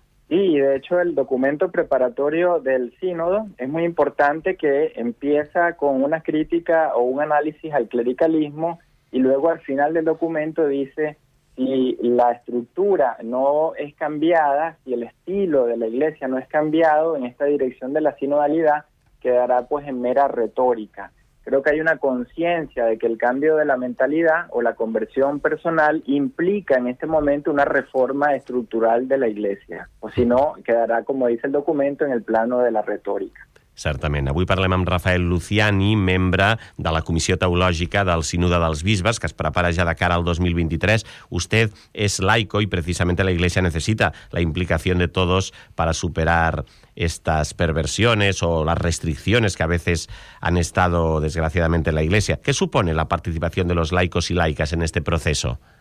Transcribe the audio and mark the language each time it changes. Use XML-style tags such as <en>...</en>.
<es>Sí, de hecho el documento preparatorio del sínodo es muy importante, que empieza con una crítica o un análisis al clericalismo y luego al final del documento dice, si la estructura no es cambiada, si el estilo de la Iglesia no es cambiado en esta dirección de la sinodalidad, quedará pues en mera retórica. Creo que hay una conciencia de que el cambio de la mentalidad o la conversión personal implica en este momento una reforma estructural de la Iglesia. O si no, quedará, como dice el documento, en el plano de la retórica.</es> <ca>Certament. Avui parlem amb Rafael Luciani, membre de la Comissió Teològica del Sínode dels Bisbes, que es prepara ja de cara al 2023.</ca> <es>Usted es laico y precisamente la Iglesia necesita la implicación de todos para superar estas perversiones o las restricciones que a veces han estado, desgraciadamente, en la Iglesia. ¿Qué supone la participación de los laicos y laicas en este proceso?</es>